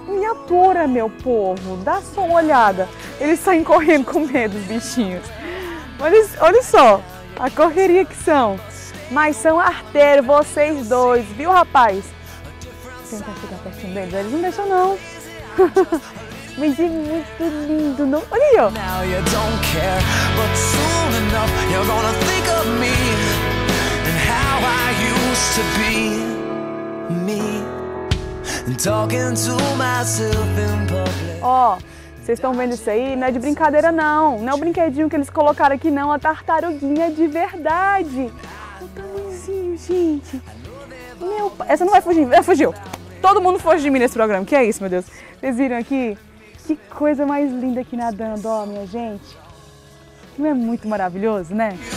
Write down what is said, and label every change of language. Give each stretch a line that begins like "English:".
Portuguese: Miniatura, meu povo. Dá só uma olhada. Eles saem correndo com medo, os bichinhos. Olha só a correria que são. Mas são arteiros, vocês dois, viu, rapaz? Tenta ficar pertinho deles. Eles não deixam, não. Mas é muito lindo, não? Olha aí, ó.
English: Now you don't care, but soon enough you're gonna think of me. How I used to be me and talking to myself in public.
Portuguese: Ó, vocês estão vendo isso aí? Não é de brincadeira, não. Não é o brinquedinho que eles colocaram aqui, não. A tartaruguinha de verdade. O tamanhozinho, gente. Meu pai. Essa não vai fugir. Ela fugiu. Todo mundo foge de mim nesse programa. Que é isso, meu Deus? Vocês viram aqui? Que coisa mais linda aqui nadando, ó, minha gente. Não é muito maravilhoso, né?